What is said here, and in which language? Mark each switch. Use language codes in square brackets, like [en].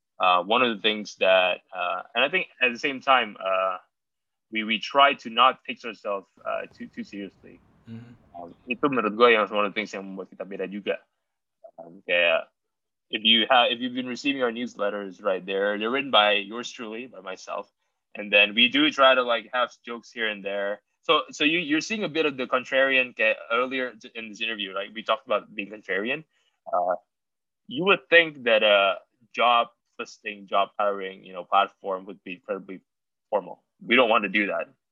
[en] One of the things that, and I think at the same time, we try to not fix ourselves too seriously. Mm-hmm. [id] Itu menurut gue yang [en] one of the things [id] yang membuat kita beda juga. [en] If you've been receiving our newsletters, right, they're written by yours truly, by myself, and then we do try to like have jokes here and there. So you're seeing a bit of the contrarian earlier in this interview, right? We talked about being contrarian. You would think that a job listing, job hiring, you know, platform would be incredibly formal. We don't want to do that.